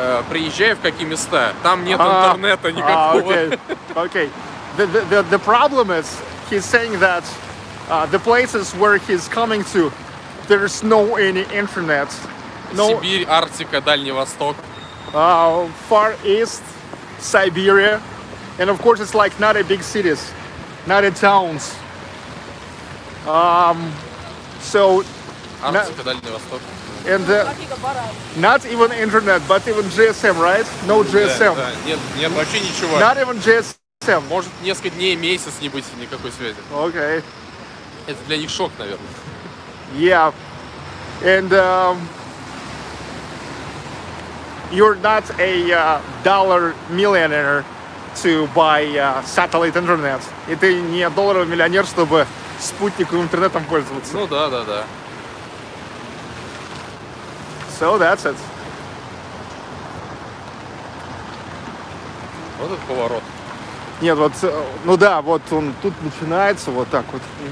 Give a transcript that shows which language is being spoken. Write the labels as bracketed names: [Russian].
[Russian] приезжаю в какие места, там нет интернета никакого. [English] Okay. The problem is, he's saying that the places where he's coming to, there's no any internet. No... [Russian] Сибирь, Арктика, Дальний Восток. [English] Far East, Siberia. And of course, it's like not a big cities, not a towns. So... [Russian] Арктика, Дальний Восток. [English] And not even internet, but even GSM, right? No GSM. [Russian] Нет, вообще ничего. [English] Not even GSM. [Russian] Может, несколько дней, месяц не быть никакой связи. [English] Okay. [Russian] Это для них шок, наверное. [English] Yeah. And you're not a dollar millionaire to buy satellite internet. [Russian] И ты не долларовый миллионер, чтобы спутниковым интернетом пользоваться. Ну да, да, да. [English] So that's it. [Russian] Вот этот поворот. Нет, вот, ну да, вот он тут начинается вот так вот.